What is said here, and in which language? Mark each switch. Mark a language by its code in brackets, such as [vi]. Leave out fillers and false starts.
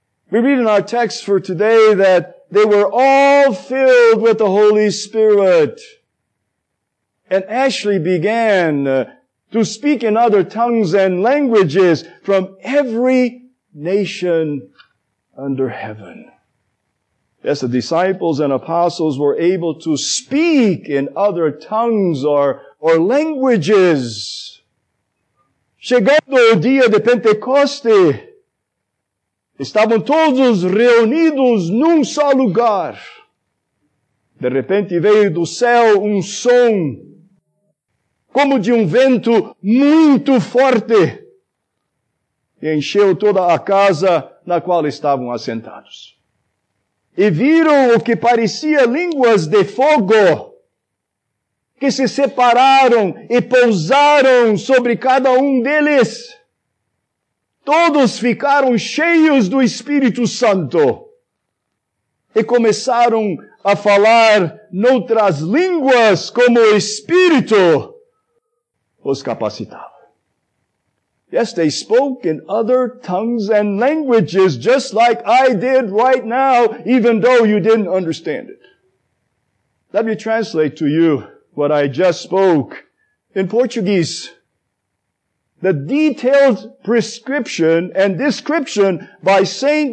[en] We read in our text for today that they were all filled with the Holy Spirit and actually began to speak in other tongues and languages from every nation under heaven. Yes, the disciples and apostles were able to speak in other tongues or languages. [pt] Chegando o dia de Pentecoste, estavam todos reunidos num só lugar. De repente veio do céu som, como de vento muito forte, e encheu toda a casa na qual estavam assentados. E viram o que parecia línguas de fogo, que se separaram e pousaram sobre cada deles. Todos ficaram cheios do Espírito Santo e começaram a falar noutras línguas como o Espírito os capacitava. [en] Yes, they spoke in other tongues and languages just like I did right now, even though you didn't understand it. Let me translate to you what I just spoke in Portuguese. The detailed prescription and description by St.